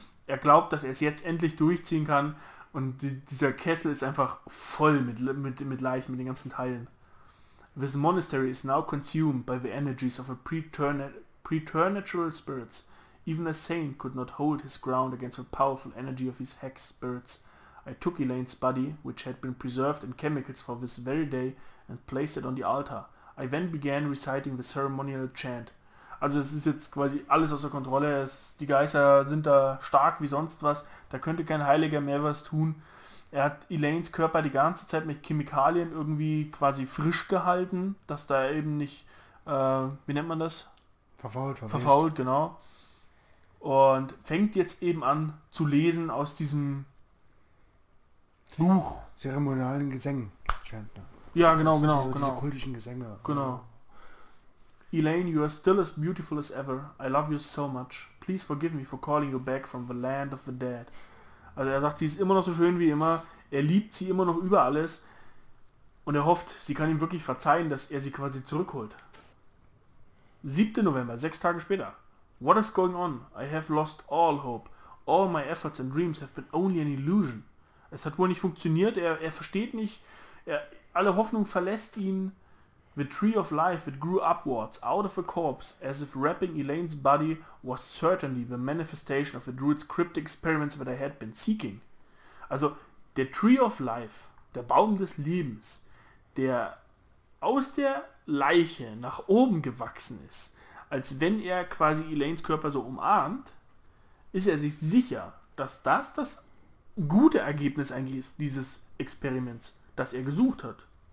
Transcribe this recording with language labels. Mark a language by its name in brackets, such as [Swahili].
[German] Er glaubt, dass er es jetzt endlich durchziehen kann. Und dieser Kessel ist einfach voll mit Leichen, mit den ganzen Teilen. [English] This monastery is now consumed by the energies of a preternatural spirits. Even a saint could not hold his ground against the powerful energy of his hex spirits. I took Elaine's body, which had been preserved in chemicals for this very day, and placed it on the altar. I then began reciting the ceremonial chant. [German] Also es ist jetzt quasi alles außer Kontrolle. Die Geister sind da stark wie sonst was. Da könnte kein Heiliger mehr was tun. Er hat Elaines Körper die ganze Zeit mit Chemikalien irgendwie quasi frisch gehalten, dass da eben nicht, wie nennt man das? Verfault, genau. Und fängt jetzt eben an zu lesen aus diesem Buch. Zeremonialen Gesängen. Ja, genau. Diese kultischen Gesänge. Genau. [English] Elaine, you are still as beautiful as ever. I love you so much. Please forgive me for calling you back from the land of the dead. [German] Also er sagt, sie ist immer noch so schön wie immer. Er liebt sie immer noch über alles. Und er hofft, sie kann ihm wirklich verzeihen, dass er sie quasi zurückholt. [English] 7. November, [German] 6 Tage später. [English] What is going on? I have lost all hope. All my efforts and dreams have been only an illusion. [German] Es hat wohl nicht funktioniert. Er versteht nicht. Alle Hoffnung verlässt ihn. [English] The tree of life, it grew upwards, out of a corpse, as if wrapping Elaine's body was certainly the manifestation of the druid's cryptic experiments that I had been seeking. [German] Also, der [English] tree of life, [German] der Baum des Lebens, der aus der Leiche nach oben gewachsen ist, als wenn er quasi Elaines Körper so umarmt, ist er sich sicher, dass das das gute Ergebnis eigentlich ist, dieses Experiments, das er gesucht hat.